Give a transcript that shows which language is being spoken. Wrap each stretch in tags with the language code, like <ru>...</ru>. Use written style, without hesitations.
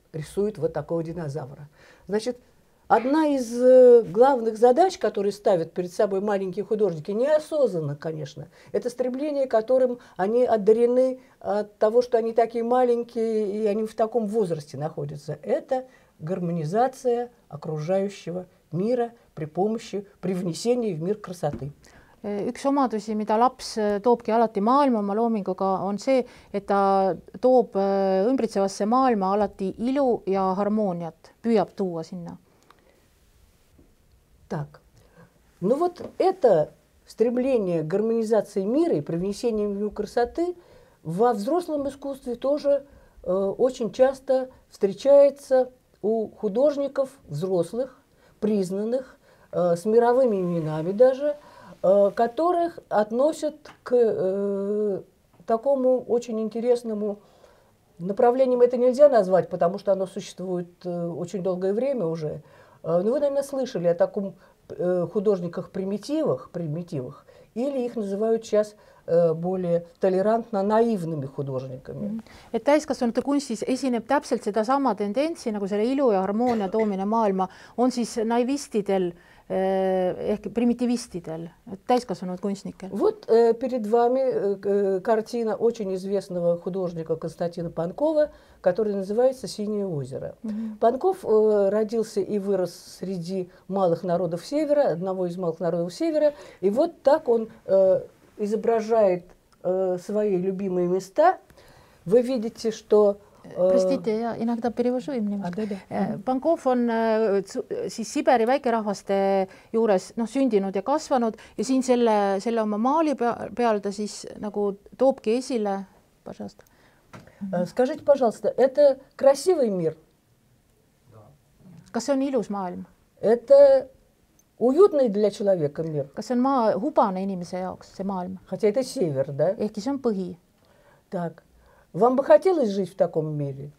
<ru>рисует вот такого динозавра. Значит, одна из главных задач, которые ставят перед собой маленькие художники, неосознанно, конечно, это стремление, которым они одарены от того, что они такие маленькие, и они в таком возрасте находятся. Это гармонизация окружающего мира при помощи, при внесении в мир красоты.</ru> <et>Üks omadusi, mida laps toobki alati maailma oma loominguga, on see, et ta toob ümbritsevasse maailma alati ilu ja harmooniat, püüab tuua sinna.</et> <ru>Так. Ну вот это стремление к гармонизации мира и привнесению в него красоты во взрослом искусстве тоже очень часто встречается у художников взрослых, признанных, с мировыми именами даже, которых относят к такому очень интересному направлению. Это нельзя назвать, потому что оно существует очень долгое время уже. Но вы, наверное, слышали о таком художниках-примитивах, или их называют сейчас более толерантно наивными художниками.</ru> <et>Et täiskasvanute kunstis esineb täpselt seda sama tendentsi, nagu selle ilu ja harmoonia toomine maailma, on siis naivistidel, ehk primitivistidel, täiskasvanud kunstnikel.</et> <ru>Вот перед вами картина очень известного художника Константина Панкова, который называется «Синее озеро». Mm-hmm. Панков родился и вырос среди малых народов Севера, одного из малых народов Севера, и вот так он изображает свои любимые места. Вы видите, что... Простите, я иногда перевожу им немножко.</ru> <et>Панков он siis Сибири väikerahvaste juures sündinud ja kasvanud, ja siin selle oma maali peal ta siis nagu toobki esile,</et> <ru>пожалуйста. Скажите, пожалуйста, это красивый мир?</ru> <et>Kas on ilus maailm?</et> <ru>Это уютный для человека мир?</ru> <et>Kas on maa hubane inimese jaoks, see maailm?</et> <ru>Хотя это север, да?</ru> <et>Ehkki see on põhi.</et> <ru>Так. Вам бы хотелось жить в таком мире?</ru>